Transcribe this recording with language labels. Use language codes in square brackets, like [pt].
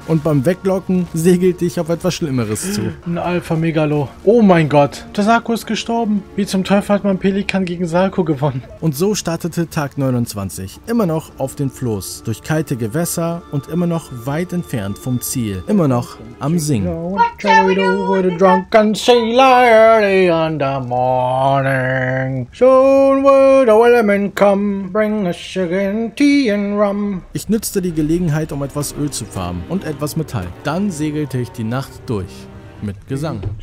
[de] Und beim Weglocken segelte ich auf etwas Schlimmeres zu. Ein Alpha-Megalo. Oh mein Gott, der Sarko ist gestorben. Wie zum Teufel hat mein Pelikan gegen Sarko gewonnen? Und so startete Tag 29. Immer noch auf den Floß. Durch kalte Gewässer und immer noch weit entfernt vom Ziel. Immer noch am Singen. [en] What shall we do with a drunken sailor early in the morning? Soon will the Willemen come, bring us sugar and tea and rum. [de] Ich nützte die Gelegenheit, um etwas Öl zu farmen und etwas Metall. Dann segelte ich die Nacht durch. Mit Gesang.